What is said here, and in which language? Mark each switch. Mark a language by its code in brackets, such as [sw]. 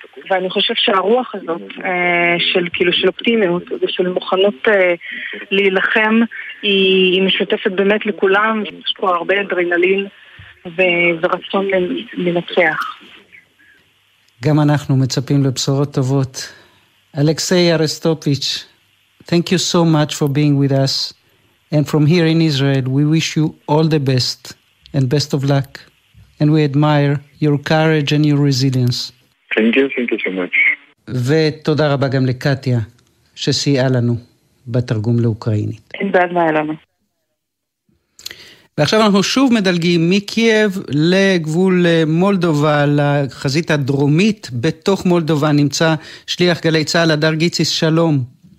[he] ואני חושב שהרוח הזאת של כאילו של אופטימיות ושל מוכנות להילחם היא משותפת באמת לכולם. יש פה הרבה אדרנלין ורצון לנצח. גם אנחנו מצפים לבשורות טובות. [en] אלכסיי ארסטופיץ', thank you so much for being with us, and from here in Israel we wish you all the best and best of luck, and we admire your courage and your resilience. Thank you so much. [he] ותודה רבה גם לקטיה שסייעה לנו בתרגום לאוקראינית. ועכשיו אנחנו שוב מדלגים מקייב לגבול מולדובה, לחזית הדרומית. בתוך מולדובה נמצא שליח גלי צהל, הדר גיציס, שלום.